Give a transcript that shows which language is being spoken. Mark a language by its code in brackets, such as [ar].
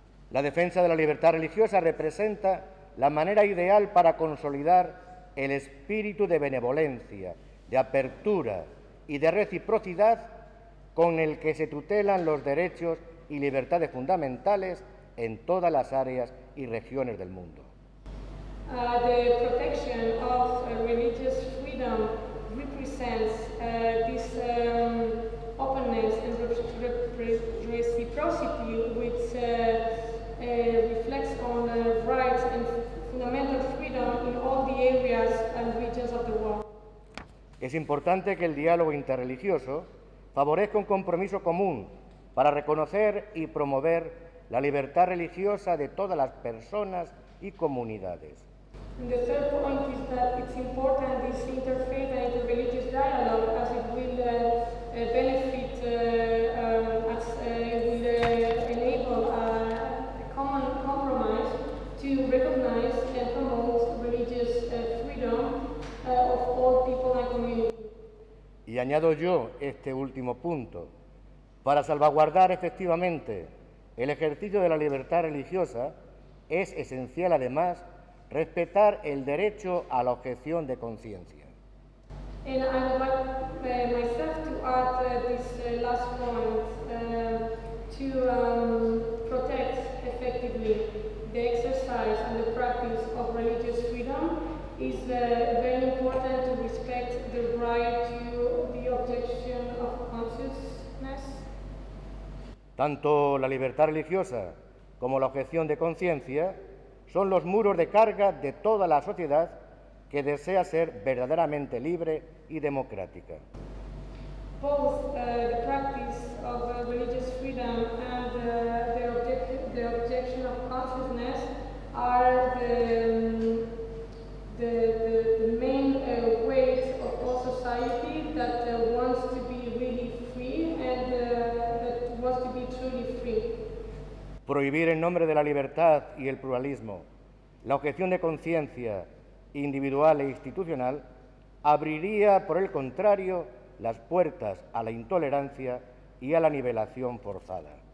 [es] La defensa de la libertad religiosa representa la manera ideal para consolidar el espíritu de benevolencia, de apertura y de reciprocidad con el que se tutelan los derechos y libertades fundamentales en todas las áreas y regiones del mundo. [en] The protection of religious freedom represents this openness and reciprocity reciprocity, which reflects on the rights and fundamental freedom in all the areas and regions of the world. [es] Es importante que el diálogo interreligioso favorezca un compromiso común para reconocer y promover la libertad religiosa de todas las personas y comunidades. [en] And the third point is that it's important this interfaith and interreligious dialogue, as it will benefit, as it will enable a common compromise to recognize and promote religious freedom of all people and communities. [es] Y añado yo este último punto. Para salvaguardar efectivamente el ejercicio de la libertad religiosa, es esencial además respetar el derecho a la objeción de conciencia. [en] And I would like myself to add this last point protect effectively the exercise and the practice of religious freedom is very important to respect the right to the objection of consciousness. [es] Tanto la libertad religiosa como la objeción de conciencia son los muros de carga de toda la sociedad que desea ser verdaderamente libre y democrática. [en] Both the practice of religious freedom and the objection of consciousness are the main ways of all society that wants to be really free and that wants to be truly free. [es] Prohibir en nombre de la libertad y el pluralismo la objeción de conciencia individual e institucional abriría, por el contrario, las puertas a la intolerancia y a la nivelación forzada.